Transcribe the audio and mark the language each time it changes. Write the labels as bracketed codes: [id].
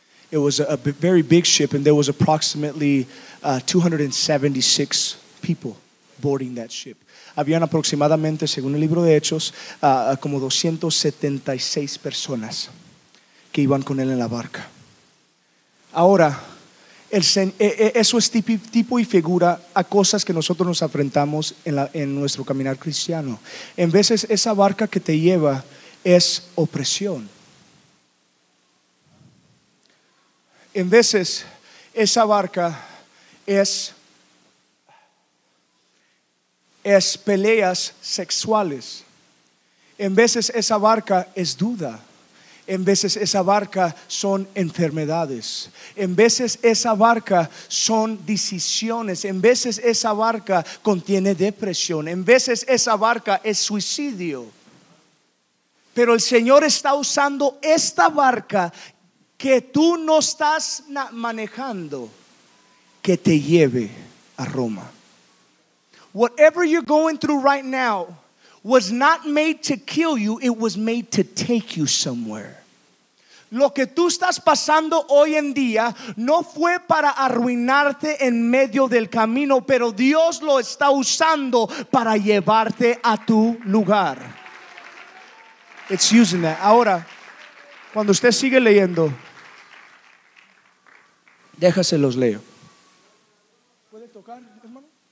[en] It was a very big ship, and there was approximately 276 people boarding that ship. [es] Habían aproximadamente, según el libro de Hechos, como 276 personas que iban con él en la barca. Ahora, eso es tipo y figura a cosas que nosotros nos enfrentamos en nuestro caminar cristiano. En veces esa barca que te lleva es opresión. En veces esa barca es peleas sexuales. En veces esa barca es duda. En veces esa barca son enfermedades. En veces esa barca son decisiones. En veces esa barca contiene depresión. En veces esa barca es suicidio. Pero el Señor está usando esta barca que tú no estás manejando que te lleve a Roma. [en] Whatever you're going through right now was not made to kill you, it was made to take you somewhere. [es] Lo que tú estás pasando hoy en día no fue para arruinarte en medio del camino, pero Dios lo está usando para llevarte a tu lugar. [en] It's using that. [es] Ahora, cuando usted sigue leyendo, déjase los leo. ¿Puede tocar, hermano?